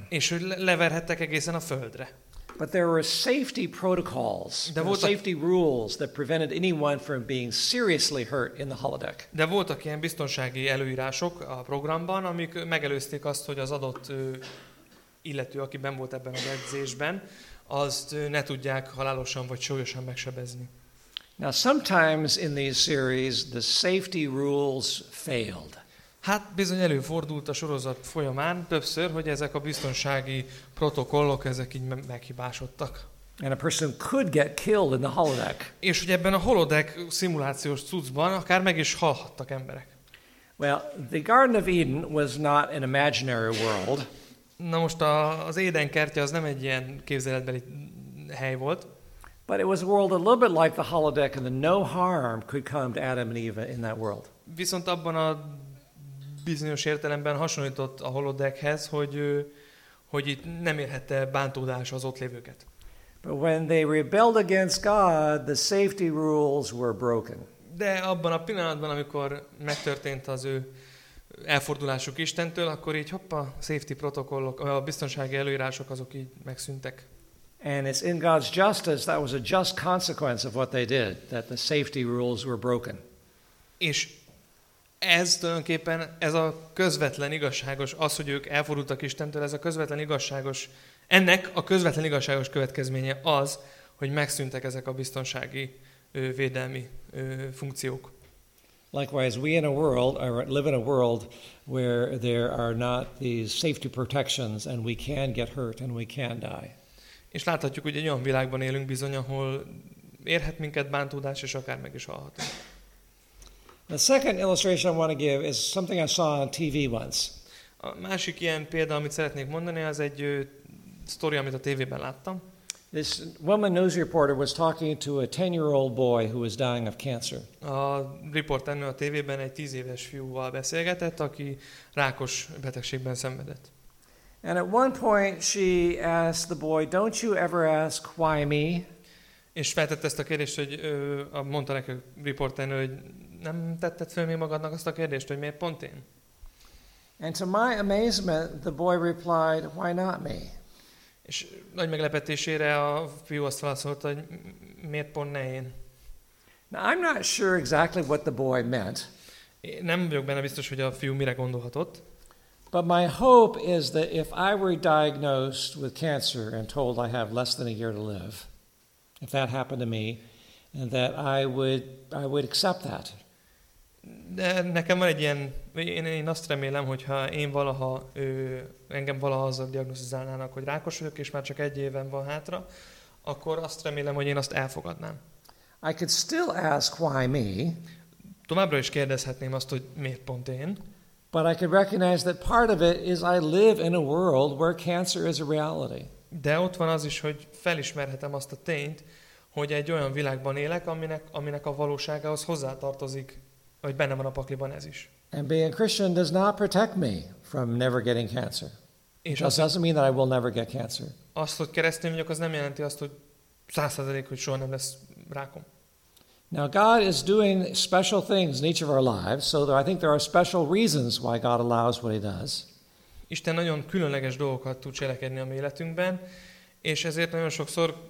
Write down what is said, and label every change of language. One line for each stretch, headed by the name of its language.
Hungarian: És hogy leverhettek egészen a földre.
English: But there were safety protocols, safety rules that prevented anyone from being seriously hurt in the holodeck.
Hungarian: De voltak ilyen biztonsági előírások a programban, amik megelőzték azt, hogy az adott illető, aki benn volt ebben az edzésben, azt ne tudják halálosan vagy súlyosan megsebezni.
English: Now sometimes in these series the safety rules failed.
Hungarian: Hát bizony előfordult a sorozat folyamán többször, hogy ezek a biztonsági protokollok ezek így meghibásodtak.
English: And a person could get killed in the holodeck.
Hungarian: És hogy ebben a holodeck szimulációs cuccban akár meg is halhattak emberek.
English: Well, the Garden of Eden was not an imaginary world.
Hungarian: Na most az Éden kertje az nem egy ilyen képzeletbeli hely volt.
English: But it was a world a little bit like the holodeck and the no harm could come to Adam and Eve in that world.
Hungarian: Viszont abban a bizonyos értelemben hasonlított a holodeckhez, hogy itt nem érhette bántódás az ott lévőket.
English: But when they rebelled against God, the safety rules were broken.
Hungarian: De abban a pillanatban, amikor megtörtént az ő elfordulásuk Istentől, akkor így hoppa, safety protokollok, a biztonsági előírások azok így megszűntek.
English: And it's in God's justice, that was a just consequence of what they did, that the safety rules were broken.
Hungarian: És ez tulajdonképpen, ez a közvetlen igazságos, az, hogy ők elfordultak Istentől, ez a közvetlen igazságos, ennek a közvetlen igazságos következménye az, hogy megszűntek ezek a biztonsági védelmi funkciók.
English: Likewise, we in a world or live in a world where there are not these safety protections and we can get hurt and we can die.
Hungarian: És láthatjuk, hogy egy olyan világban élünk bizony, ahol érhet minket bántódás és akár meg is halhatunk.
English: The second illustration I want to give is something I saw on TV once.
Hungarian: A másik ilyen példa, amit szeretnék mondani, az egy sztori, amit a tévében láttam.
English: This woman news reporter was talking to a 10-year-old boy who was dying of cancer.
Hungarian: A riporternő a tévében egy 10 éves fiúval beszélgetett, aki rákos betegségben szenvedett.
English: And at one point she asked the boy, "Don't you ever ask why me?"
Hungarian: És feltette ezt a kérdést, hogy mondta neki a riporternő, hogy nem tetted fel még magadnak azt a kérdést, hogy miért pont én?
English: And to my amazement, the boy replied, "Why not me?"
Hungarian: És nagy meglepetésére a fiú azt válaszolta, hogy miért pont ne én?
English: Now, I'm not sure exactly what the boy meant.
Hungarian: Nem vagyok benne biztos, hogy a fiú mire gondolhatott.
English: But my hope is that if I were diagnosed with cancer and told I have less than a year to live, if that happened to me, and that I would accept that.
Hungarian: De nekem van egy ilyen, én azt remélem, hogyha én valaha, engem valaha azzal diagnosztizálnának, hogy rákos vagyok, és már csak egy éven van hátra, akkor azt remélem, hogy én azt elfogadnám.
English: I could still ask why me.
Hungarian: Továbbra is kérdezhetném azt, hogy miért pont én.
English: But I could recognize that part of it is I live in a world where cancer is a reality.
Hungarian: De ott van az is, hogy felismerhetem azt a tényt, hogy egy olyan világban élek, aminek a valóságához hozzátartozik, hogy benne van a pakliban ez is.
English: And being a Christian does not protect me from never getting cancer. It just doesn't mean that I will never get cancer.
Hungarian: Azt, hogy keresztény vagyok, az nem jelenti azt, hogy 100%, hogy soha nem lesz rákom.
English: Now God is doing special things in each of our lives, so I think there are special reasons why God allows what he does.
Hungarian: Isten nagyon különleges dolgokat tud cselekedni a mi életünkben, és ezért nagyon sokszor